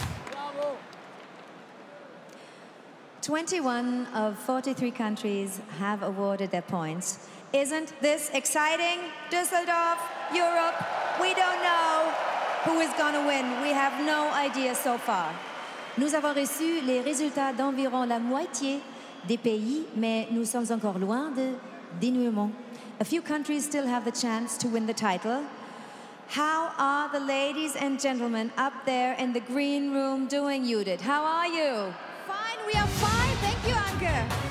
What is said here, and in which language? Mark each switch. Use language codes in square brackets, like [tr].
[en] Bravo. 21 of 43 countries have awarded their points. Isn't this exciting? Düsseldorf, Europe, we don't know who is going to win. We have no idea so far. [fr] Nous avons reçu les résultats d'environ la moitié des pays, mais nous sommes encore loin de dénouement. [en] A few countries still have the chance to win the title. How are the ladies and gentlemen up there in the green room doing, Judith? How are you? Fine, we are fine. Thank you, Anke.